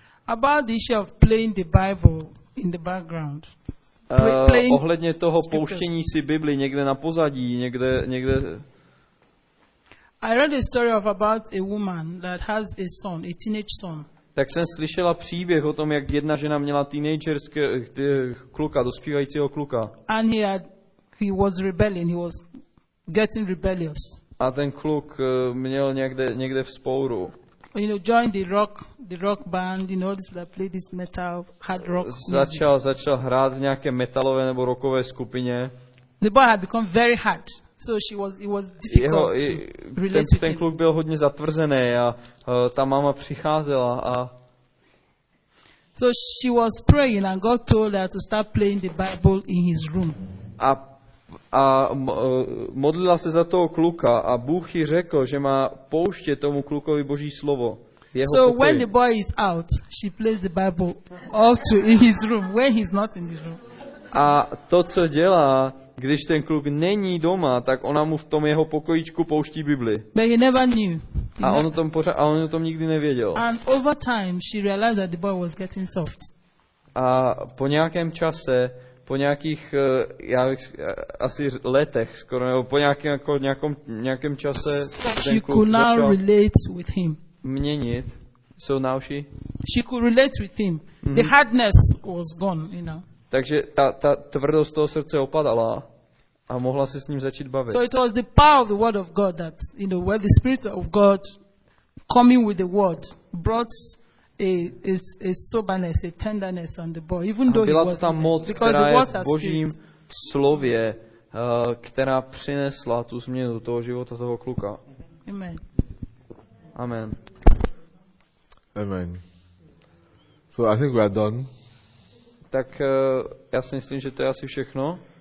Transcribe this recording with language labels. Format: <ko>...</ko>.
<en>About the issue of playing the Bible in the background.</en> <cs>Ohledně toho pouštění si Bibli někde na pozadí, někde.</cs> <en>I read a story of about a woman that has a son, a teenage son.</en> <cs>Tak jsem slyšela příběh o tom, jak jedna žena měla teenagerského kluka, dospívajícího kluka.</cs> <en>And he was rebelling, he was getting rebellious.</en> <cs>A ten kluk měl někde vzpouru.</cs> <en>You know, joined the rock band, you know, that played this metal hard rock.</en> <cs>Začal hrát nějaké metalové nebo rockové skupině.</cs> <en>The boy had become very hard. So she was. It was difficult to relate to him.</en> <cs>Ten kluk byl hodně zatvrzený a ta máma přicházela a.</cs> <en>So she was praying, and God told her to start playing the Bible in his room.</en> <cs>A modlila se za toho kluka a Bůh jí řekl, že má pouštět tomu klukovi Boží slovo.</cs> <en>So</en> <cs>pokoji.</cs> <en>When the boy is out, she plays the Bible all to in his room when he's not in the room.</en> <cs>A to, co dělá, když ten kluk není doma, tak ona mu v tom jeho pokojíčku pouští Bibli.</cs> <en>But he never knew.</en> <cs>A on o tom pořád, a on o tom nikdy nevěděl.</cs> <en>And over time she realized that the boy was getting soft.</en> <cs>A po nějakém čase, po nějakých já bych, asi letech, skoro nebo po nějakém čase</cs> <en>she could now relate with him.</en> <cs>Měnit.</cs> <en>So now she could relate with him. Mm-hmm. The hardness was gone, you know.</en> <cs>Takže ta tvrdost toho srdce opadala a mohla se s ním začít bavit.</cs> <en>So it was the power of the word of God that, you know, where the spirit of God coming with the word brought a soberness, a tenderness on the boy, even though he was.</en> <cs>Byla ta moc, která je v Božím slově, která přinesla tu změnu toho života toho kluka. Amen. Amen.</cs> <en>Amen. So I think we are done.</en> <cs>Tak já si myslím, že to je asi všechno.</cs>